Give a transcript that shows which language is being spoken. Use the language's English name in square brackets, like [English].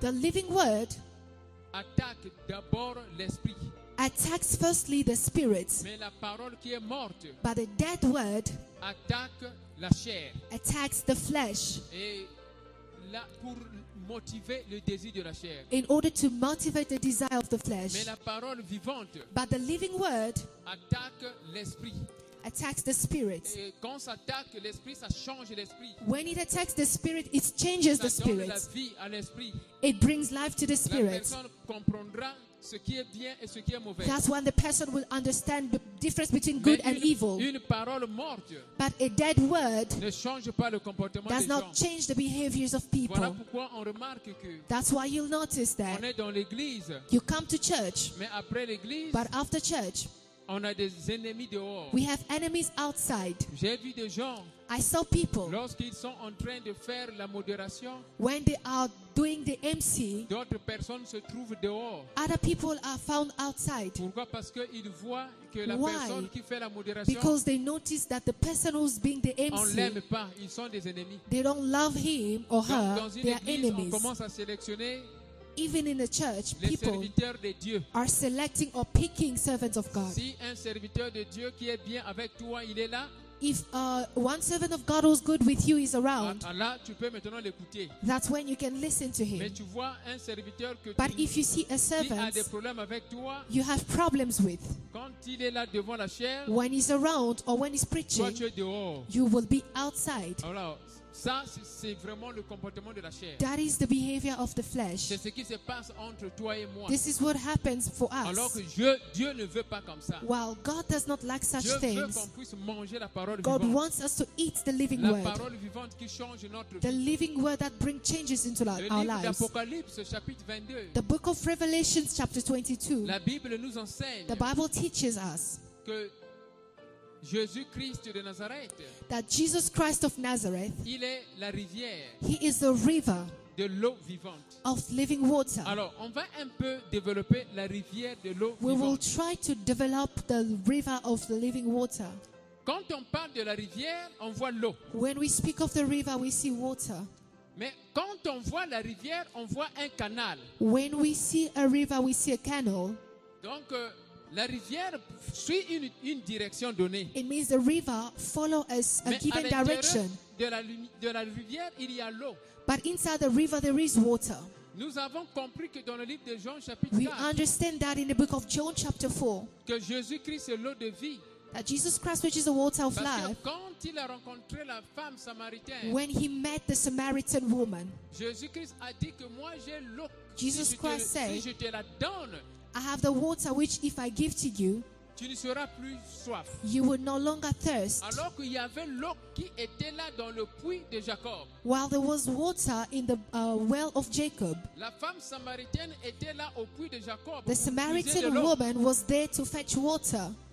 [English] the living word, [French] attaque d'abord l'esprit, [English] attacks firstly the spirit. [French] Mais la parole qui est morte, [English] but the dead word, [French] attaque la chair, [English] attacks the flesh. [French] Et là, pour motiver le désir de la chair. [English] In order to motivate the desire of the flesh. [French] Mais la parole vivante, [English] but the living word, [French] attaque l'esprit, [English] attacks the spirit. [French] Et quand ça attaque l'esprit, ça change l'esprit. [English] When it attacks the spirit, it changes [French] ça [English] the spirit. [French] Donne la vie à l'esprit. [English] It brings life to the spirit. [French] La personne comprendra ce qui est bien et ce qui est mauvais. [English] That's when the person will understand the difference between good [French] une, [English] and evil. [French] Une parole morte, [English] but a dead word, [French] ne change pas le comportement [English] does [French] des [English] not [French] gens. [English] Change the behaviors of people. [French] Voilà pourquoi on remarque que, [English] that's why you'll notice that [French] on est dans l'église, [English] you come to church, [French] mais après l'église, [English] but after church, [French] on a des ennemis dehors. [English] We have enemies outside. [French] J'ai vu des gens, [English] I saw people, [French] lorsqu'ils sont en train de faire la modération, [English] when they are doing the MC, [French] d'autres personnes se trouvent dehors. [English] Other people are found outside. [French] Pourquoi? Parce qu'ils voient que la [English] Why? [French] Personne qui fait la modération, [English] because they notice that the person who's being the MC, [French] on l'aime pas, ils sont des ennemis. [English] They don't love him or her, [French] dans une [English] they [French] église, [English] are enemies. [French] On commence à sélectionner. [English] Even in the church, [French] les [English] people [French] serviteurs de Dieu [English] are selecting or picking servants of God. [French] Si un serviteur de Dieu qui est bien avec toi, il est là. [English] If one servant of God who's good with you is around, [French] là, tu peux maintenant l'écouter. [English] That's when you can listen to him. [French] Mais tu vois un serviteur que [English] but [French] tu, [English] if you see a servant [French] qui a des problèmes avec toi, [English] you have problems with, [French] quand il est là devant la chair, [English] when he's around or when he's preaching, [French] toi, tu es dehors. [English] You will be outside. [French] Alors, ça, c'est vraiment le comportement de la chair. [English] That is the behavior of the flesh. [French] C'est ce qui se passe entre toi et moi. [English] This is what happens for us. [French] Alors que Dieu ne veut pas comme ça. [English] While God does not like such things, [French] Dieu veut qu'on puisse manger la parole [English] God [French] vivante. [English] Wants us to eat the living [French] la [English] word. [French] La parole vivante qui change notre vie. [English] The living word that brings changes into [French] le [English] our [French] livre [English] lives. [French] D'Apocalypse, chapitre 22. [English] The book of Revelation, chapter 22. [French] La Bible nous enseigne. [English] The Bible teaches us. [French] Que Jésus-Christ de Nazareth, [English] that Jesus Christ of Nazareth, [French] il est la rivière, [English] he is the river [French] de l'eau vivante, [English] of living water. [French] Alors, on va un peu développer la rivière de l'eau [English] we [French] vivante. [English] Will try to develop the river of the living water. [French] Quand on parle de la rivière, on voit l'eau. [English] When we speak of the river, we see water. [French] Mais quand on voit la rivière, on voit un canal. [English] When we see a river, we see a canal. [French] Donc, la rivière suit une direction donnée. [English] It means the river follows a [French] mais [English] given direction. [French] De la rivière, il y a l'eau. [English] But inside the river, there is water. [French] Nous avons compris que dans le livre de Jean, chapitre [English] we 4, understand that in the book of John, chapter 4, [French] que Jésus-Christ est l'eau de vie. [English] That Jesus Christ, which is the water of [French] parce [English] life, [French] quand il a rencontré la femme samaritaine, [English] when he met the Samaritan woman, [French] Jésus-Christ a dit que moi j'ai l'eau. [English] Jesus [French] si je [English] Christ [French] te, [English] said, [French] si je te la donne, [English] I have the water which if I give to you, [French] tu ne seras plus soif. [English] You will no longer thirst. [French] Alors qu'il y avait l'eau qui était là dans le puits de Jacob. [English] While there was water in the well of Jacob. [French] La femme samaritaine était là au puits de Jacob. [English] The Samaritan woman was there to fetch water.